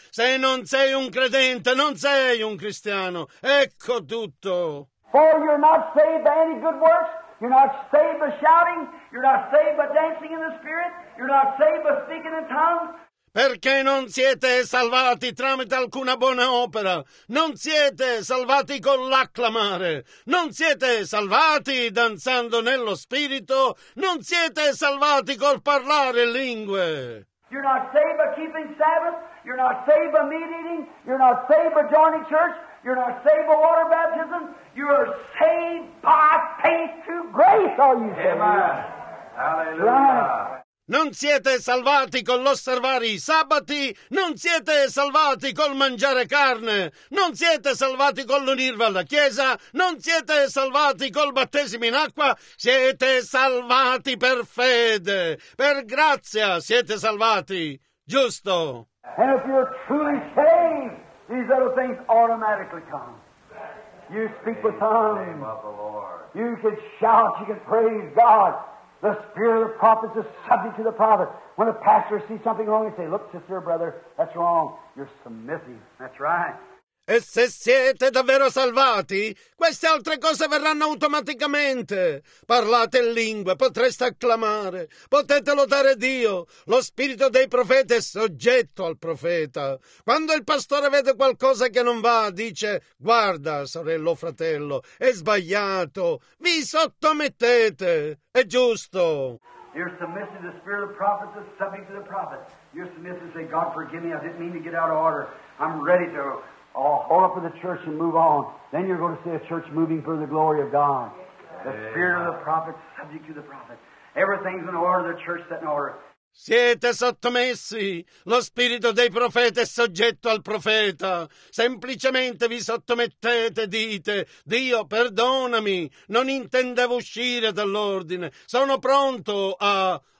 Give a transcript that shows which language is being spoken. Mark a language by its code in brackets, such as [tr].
[it] Se non sei un credente, non sei un cristiano. Ecco tutto. [en] For you're not saved by any good works. You're not saved by shouting. You're not saved by dancing in the Spirit. You're not saved by speaking in tongues. [it] Perché non siete salvati tramite alcuna buona opera? Non siete salvati con l'acclamare? Non siete salvati danzando nello Spirito? Non siete salvati col parlare lingue? [en] You're not saved by keeping Sabbath. You're not saved by meat eating. You're not saved by joining church. You're not saved by water baptism. You're saved by faith through grace, are you saved? Amen. Hallelujah. Right. [it] Non siete salvati con l'osservare i sabati, non siete salvati col mangiare carne, non siete salvati con l'unirvi alla Chiesa, non siete salvati col battesimo in acqua, siete salvati per fede, per grazia siete salvati, giusto? [en] And if you're truly saved, these little things automatically come. You speak with tongues, you can shout, you can praise God. The spirit of the prophet is subject to the prophet. When a pastor sees something wrong, he say, look, sister or brother, that's wrong. You're submissive. That's right. [it] E se siete davvero salvati, queste altre cose verranno automaticamente. Parlate lingue, potreste acclamare, potete lodare Dio. Lo spirito dei profeti è soggetto al profeta. Quando il pastore vede qualcosa che non va, dice, guarda, sorello o fratello, è sbagliato, vi sottomettete, è giusto. [en] You're submissive to the spirit of the prophets, the subject to the prophets. You're submissive to say, God, forgive me. I didn't mean to get out of order. I'm ready to hold up for the church and move on. Then you're going to see a church moving for the glory of God. The spirit of the prophets, subject to the prophets. Everything's in order. The church set in order. [it] Siete sottomessi, lo spirito dei profeti è soggetto al profeta. Semplicemente vi sottomettete, dite, Dio perdonami, non intendevo uscire dall'ordine, sono pronto a...